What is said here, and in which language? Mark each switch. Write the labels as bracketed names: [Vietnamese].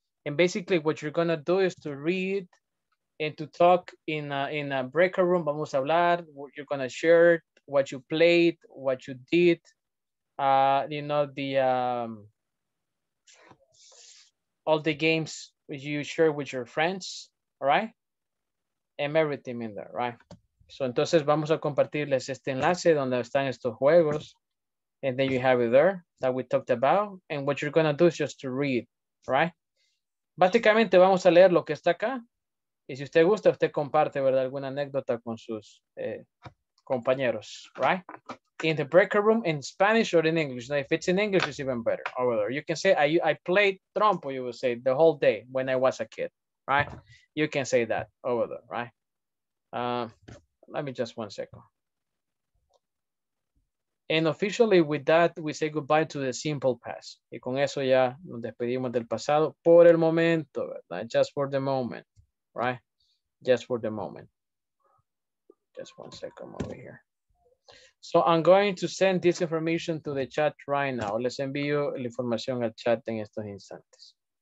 [English] And basically, what you're gonna do is to read and to talk in a breakout room. [Spanish] Vamos a hablar. [English] You're gonna share what you played, what you did. You know, all the games you share with your friends, right? And everything in there, right? [Spanish] So, entonces vamos a compartirles este enlace donde están estos juegos. [English] And then you have it there that we talked about. And what you're going to do is just to read, right? [Spanish] Básicamente vamos a leer lo que está acá. Y si usted gusta, usted comparte, ¿verdad? Alguna anécdota con sus compañeros, [English] right? In the breakout room, in Spanish or in English. Now, if it's in English, it's even better. Over there, you can say, I played trompo, you would say, the whole day when I was a kid, right? You can say that over there, right? Let me just 1 second. And officially with that, we say goodbye to the simple past. [Spanish] Y con eso ya nos despedimos del pasado por el momento, ¿verdad? [English] Just for the moment, right? Just for the moment. Just 1 second over here. So I'm going to send this information to the chat right now. [Spanish] Les envío la información al chat en estos instantes.